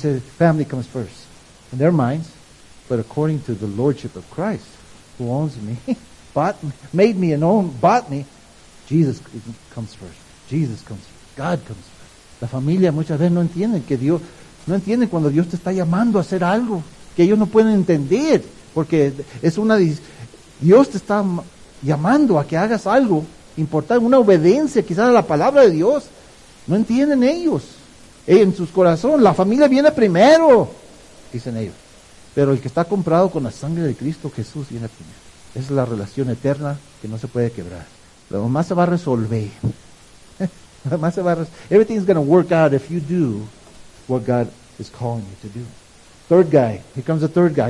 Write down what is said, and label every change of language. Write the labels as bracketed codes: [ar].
[en] They say family comes first in their minds, but according to the Lordship of Christ, who owns me, bought me, Jesus comes first. Jesus comes first. God comes first. [es] La familia muchas veces no entiende que Dios, no entiende cuando Dios te está llamando a hacer algo. Que ellos no pueden entender, porque es una. Dios te está llamando a que hagas algo importante, una obediencia quizás a la palabra de Dios. No entienden ellos. En sus corazones, la familia viene primero, dicen ellos. Pero el que está comprado con la sangre de Cristo Jesús viene primero. Esa es la relación eterna que no se puede quebrar. Lo más se va a resolver. [en] Everything's going to work out if you do what God is calling you to do. Third guy. Here comes the third guy.